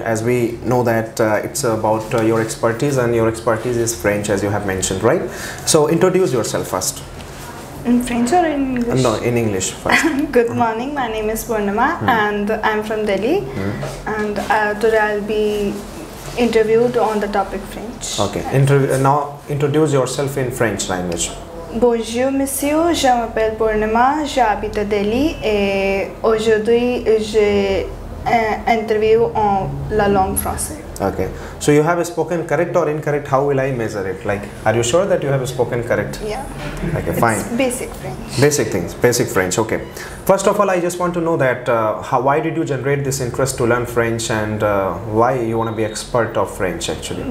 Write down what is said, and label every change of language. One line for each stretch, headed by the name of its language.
English: As we know that it's about your expertise, and your expertise is French, as you have mentioned, right? So introduce yourself first. In French or in English? No, in English first. Good morning, my name is Purnima, and I'm from Delhi. And today I'll be interviewed on the topic French. Okay, now introduce yourself in French language.
French: Bonjour monsieur, je m'appelle Purnima, j'habite à Delhi et aujourd'hui j'ai interview en la langue française.
English: Okay, so you have spoken correct or incorrect, how will I measure it? Like, are you sure that you have spoken correct? Yeah. Okay, fine. It's basic French. Basic things, basic French, okay. First of all, I just want to know that why did you generate this interest to learn French, and why you want to be expert of French actually?